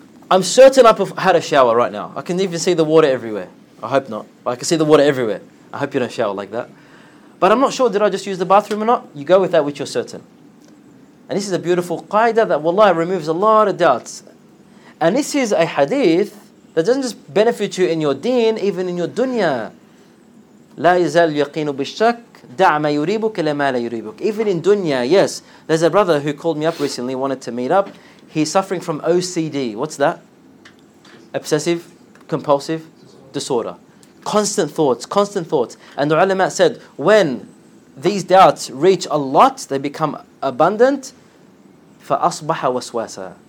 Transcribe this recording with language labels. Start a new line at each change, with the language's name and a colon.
English: I'm certain I had a shower right now. I can even see the water everywhere. I hope not. But I can see the water everywhere. I hope you don't shower like that. But I'm not sure, did I just use the bathroom or not? You go with that which you're certain. And this is a beautiful qaida that, wallahi, removes a lot of doubts. And this is a hadith that doesn't just benefit you in your deen, even in your dunya.
Arabic: لا يزال يقين بالشك دع ما يريبك لما لا يريبك.
English: Even in dunya, yes. There's a brother who called me up recently, wanted to meet up. He's suffering from OCD. What's that? Obsessive, compulsive disorder. Constant thoughts. And the ulama said, when these doubts reach a lot, they become abundant,
Arabic: فأصبح وسواسا.